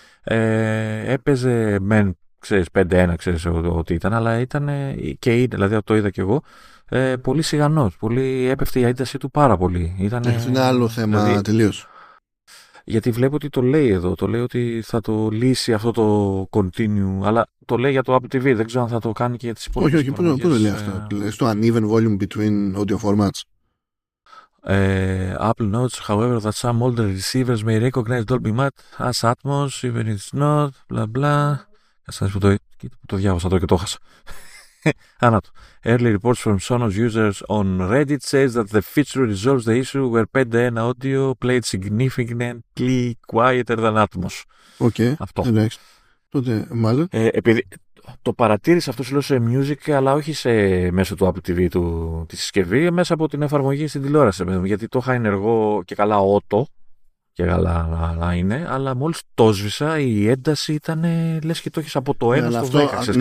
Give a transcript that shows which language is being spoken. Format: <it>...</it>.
<el>Έπαιζε μεν, ξέρεις, 5-1, ξέρεις εγώ ότι ήταν, αλλά ήταν και είναι, δηλαδή το είδα κι εγώ, πολύ σιγανός, πολύ, έπεφτε η έντασή του πάρα πολύ. Ήτανε, έχει ένα άλλο θέμα, δηλαδή, τελείως. Γιατί βλέπω ότι το λέει εδώ, το λέει ότι θα το λύσει αυτό το continue, αλλά το λέει για το Apple TV, δεν ξέρω αν θα το κάνει και για τις υπόλοιπες. Όχι, όχι, πού το λέει αυτό, στο</el> <en>uneven volume between audio formats. Apple notes, however, that some older receivers may recognize Dolby Mat as Atmos, even if it's not, bla bla.</en> <el>Κάτσε που το διάβασα τώρα και το χάσα. Άνατο.</el> <en>Early reports from Sonos users on Reddit says that the feature resolves the issue where 5.1 audio played significantly quieter than Atmos. Okay.</en> <el>Αυτό. Εντάξει. Τότε, μάλλον. Επειδή το παρατήρησε αυτό, σου λέω, σε music, αλλά όχι σε μέσω του Apple TV τη συσκευή, μέσα από την εφαρμογή στην τηλεόραση. Γιατί το είχα ενεργό και καλά ότο. Και καλά να είναι, αλλά μόλις το σβήσα η ένταση ήταν, λες και το έχεις από το 1 στο 10, ξέρεις,</el>